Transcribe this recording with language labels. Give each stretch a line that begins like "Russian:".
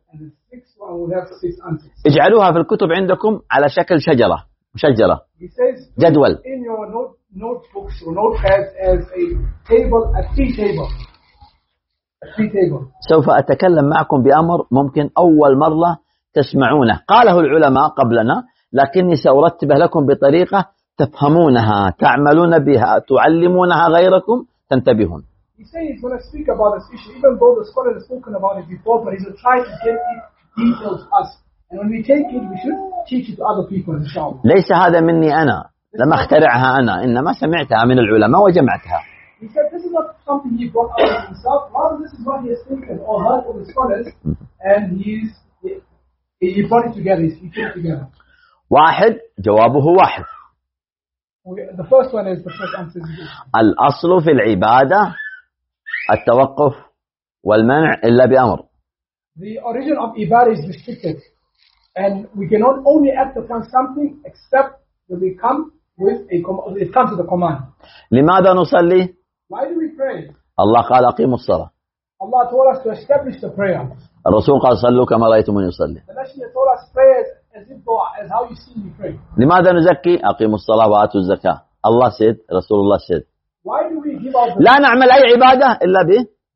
English: And the sixth one will have six answers.
Arabic: اجعلوها في الكتب عندكم على شكل شجرة. مشجرة.
English: He says,
Arabic: جدول.
English: In your notebooks or notepads as a table, a tea table. A tea table.
Arabic: سوف أتكلم معكم بأمر ممكن أول مرة تسمعونه. قاله العلماء قبلنا لكني سأرتبه لكم بطريقة تفهمونها تعملون بها تعلمونها غيركم تنتبهون.
English: He says, when I speak about this issue, even though the scholar has spoken about it before, but he's trying to get it detailed to us. And when we take it, we should teach it to other people, inshallah.
Arabic: ليس هذا مني أنا. لم أخترعها أنا. إنما سمعتها من العلماء وجمعتها.
English: He said, this is not something he brought out of himself. Rather, this is what he has taken or heard from the scholars. And he brought it together. He put it together.
Arabic: واحد جوابه واحد.
English: The first one is the first answer.
Arabic: الأصل في العبادة التوقف والمنع إلا بأمر.
English: The origin of ibadah is restricted. And we cannot only act upon something except that we come with a command. It comes with a command.
Arabic: لماذا نصلي?
English: Why do we pray?
Arabic: الله قال أقيموا الصلاة.
English: Allah told us to establish the prayer.
Arabic: الرسول قال صلوا كما رأيتموني أصلي.
English: The Messenger told us pray as how you see me pray.
Arabic: لماذا نزكي? أقيموا الصلاة وآتوا الزكاة. الله
English: said,
Arabic: رسول الله said.
English: Why do we give out the...
Arabic: لا نعمل أي عبادة إلا به.